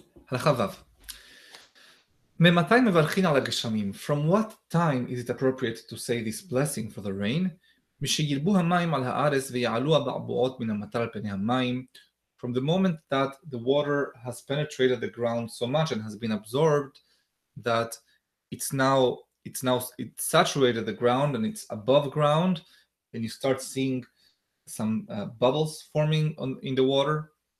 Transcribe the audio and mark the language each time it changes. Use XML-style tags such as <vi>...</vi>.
<he>הלכה וב. ממתי מברכים על הגשמים?</he> <en>From what time is it appropriate to say this blessing for the rain?</en> <he>משירבו המים על הארץ ויעלו הבעבועות מן המטר על פני המים.</he> <en>From the moment that the water has penetrated the ground so much and has been absorbed that it's saturated the ground and it's above ground and you start seeing some bubbles forming in the water.</en>